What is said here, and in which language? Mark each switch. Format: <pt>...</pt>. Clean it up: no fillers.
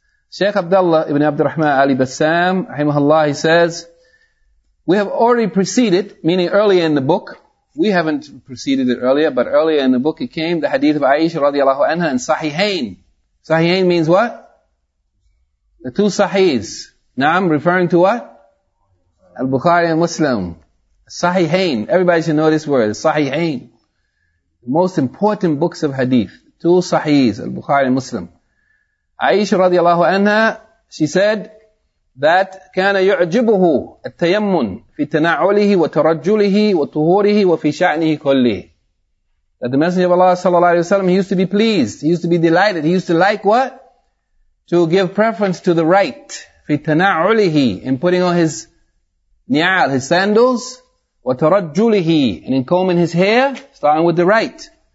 <en>Shaykh Abdullah ibn Abdurrahman Ali Bassam, rahimahullah, he says, we have already preceded, meaning earlier in the book, we haven't preceded it earlier, but earlier in the book it came, the hadith of Aisha radiallahu anha and Sahihain. Sahihain means what? The two Sahihs. Naam, referring to what? Al-Bukhari and Muslim. Sahihain. Everybody should know this word. Sahihain. The most important books of hadith. Two Sahihs, Al-Bukhari and Muslim. Aisha radiallahu anha, she said that</en> <ar>كان يعجبه التيمن في تناعله وترجله وطهوره وفي شأنه كله.</ar> <en>That the Messenger of Allah sallallahu alayhi wa sallam, he used to be pleased, he used to be delighted, he used to like what? To give preference to the right.</en> <ar>في تناعله,</ar> <en>in putting on his ni'al, his sandals,</en> <ar>وترجله,</ar> <en>and in combing his hair, starting with the right.</en>